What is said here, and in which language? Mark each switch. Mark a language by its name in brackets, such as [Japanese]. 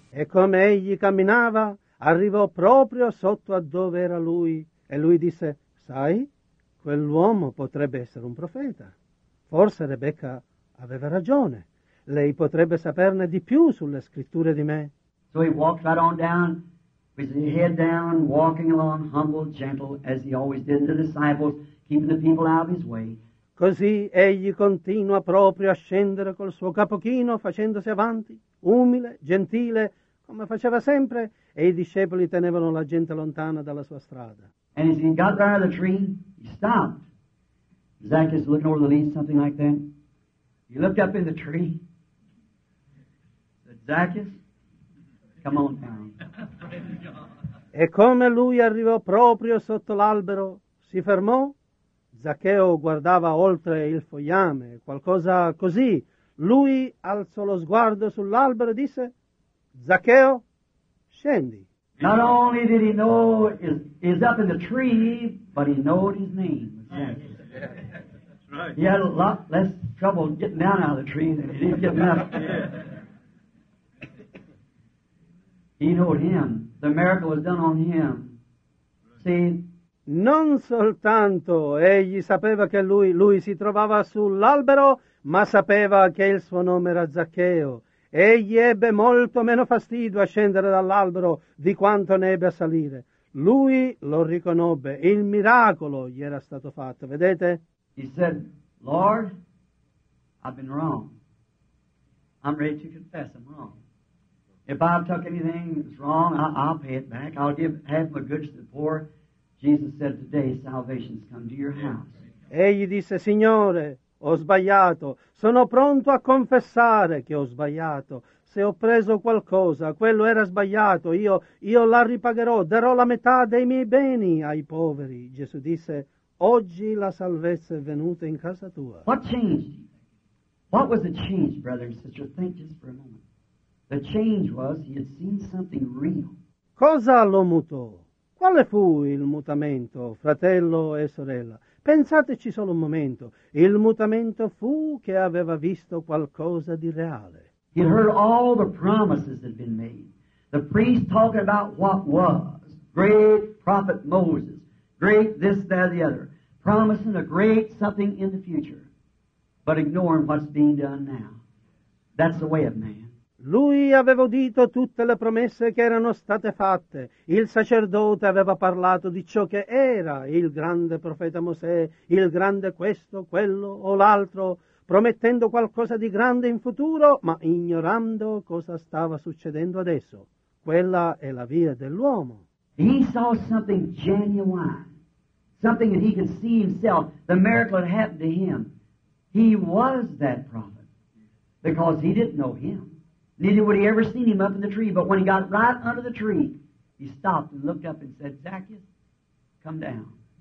[Italian] E come egli camminava, arrivò proprio sotto a dove era lui, e lui disse, sai, quell'uomo potrebbe essere un profeta. Forse Rebecca aveva ragione. Lei potrebbe saperne di più sulle scritture di me. [English] So he walked right on down, with his head down, walking along, humble, gentle, as he always did to the disciples, keeping the people out of his way. [Italian] Così egli continua proprio a scendere col suo capochino, facendosi avanti, umile, gentile, come faceva sempre, e i discepoli tenevano la gente lontana dalla sua strada. [English] And as he got right out of the tree, he stopped. Zacchaeus looking over the leaves, something like that. He looked up in the tree. Said, Zacchaeus, come on down. [Italian] E come lui arrivò proprio sotto l'albero, si fermò. Zaccheo guardava oltre il fogliame, qualcosa così. Lui alzò lo sguardo sull'albero e disse, Zaccheo, scendi. [English] Not only did he know he's up in the tree, but he knew his name. Yeah. He had a lot less trouble getting down out of the tree than he did getting up. Yeah. He knew him. The miracle was done on him. See? [Italian] Non soltanto egli sapeva che lui si trovava sull'albero, ma sapeva che il suo nome era Zaccheo. Egli ebbe molto meno fastidio a scendere dall'albero di quanto ne ebbe a salire. Lui lo riconobbe, il miracolo gli era stato fatto, vedete? [English] He said, Lord, I've been wrong. I'm ready to confess I'm wrong. If I've took anything that's wrong, I'll pay it back. I'll give half my goods to the poor. Jesus said, today salvation's come to your house. [Italian] Egli disse, Signore, ho sbagliato, sono pronto a confessare che ho sbagliato. Se ho preso qualcosa, quello era sbagliato, io la ripagherò, darò la metà dei miei beni ai poveri. Gesù disse, oggi la salvezza è venuta in casa tua. [English] What changed? What was the change, brother and sister? Think just for a moment. The change was he had seen something real. [Italian] Cosa lo mutò? Quale fu il mutamento, fratello e sorella? Pensateci solo un momento. Il mutamento fu che aveva visto qualcosa di reale. [English] He heard all the promises that had been made. The priest talking about what was. Great prophet Moses. Great this, that, the other. Promising a great something in the future. But ignoring what's being done now. That's the way of man. [Italian] Lui aveva udito tutte le promesse che erano state fatte. Il sacerdote aveva parlato di ciò che era il grande profeta Mosè, il grande questo, quello o l'altro, promettendo qualcosa di grande in futuro, ma ignorando cosa stava succedendo adesso. Quella è la via dell'uomo. [English] He saw something genuine, something that he could see himself, the miracle that happened to him. He was that prophet, because he didn't know him. Neither would he ever seen him up in the tree, but when he got right under the tree, he stopped and looked up and said, Zacchaeus, come down.